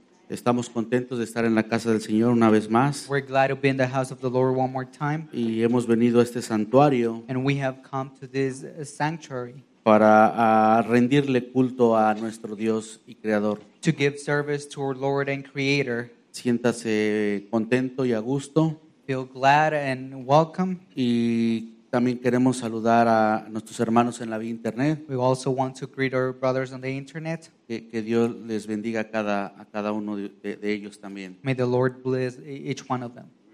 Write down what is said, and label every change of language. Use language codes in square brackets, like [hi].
[es] Estamos contentos de estar en la casa del Señor una vez más. [en] We're glad to be in the house of the Lord one more time. [es] Y hemos venido a este santuario. [en] And we have come to this sanctuary. [es] Para rendirle culto a nuestro Dios y Creador. [en] To give service to our Lord and Creator. [es] Siéntase contento y a gusto. [en] Feel glad and welcome. [es] Y también queremos saludar a nuestros hermanos en la vía internet. [en] We also want to greet our brothers on the internet. [es] Que Dios les bendiga a cada uno de ellos también. [en] May the Lord bless each one of them.